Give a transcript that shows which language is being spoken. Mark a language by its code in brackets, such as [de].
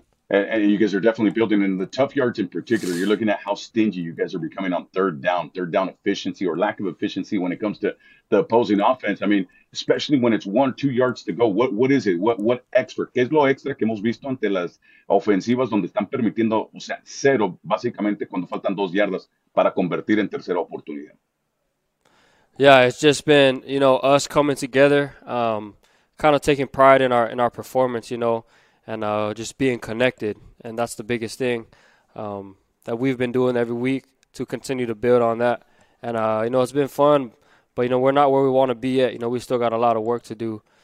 [en] And you guys are definitely building in the tough yards in particular. You're looking at how stingy you guys are becoming on third down efficiency or lack of efficiency when it comes to the opposing offense. I mean, especially when it's 1 or 2 yards to go, what is it? What extra? [es] ¿Qué es lo extra que hemos visto ante las ofensivas donde están permitiendo, o sea, cero, básicamente, cuando faltan 2 yardas para convertir en tercera oportunidad? [en] Yeah, it's just been, you know, us coming together, kind of taking pride in our performance, you know, and just being connected. And that's the biggest thing that we've been doing every week to continue to build on that. And, you know, it's been fun, but, you know, we're not where we want to be yet. You know, we still got a lot of work to do.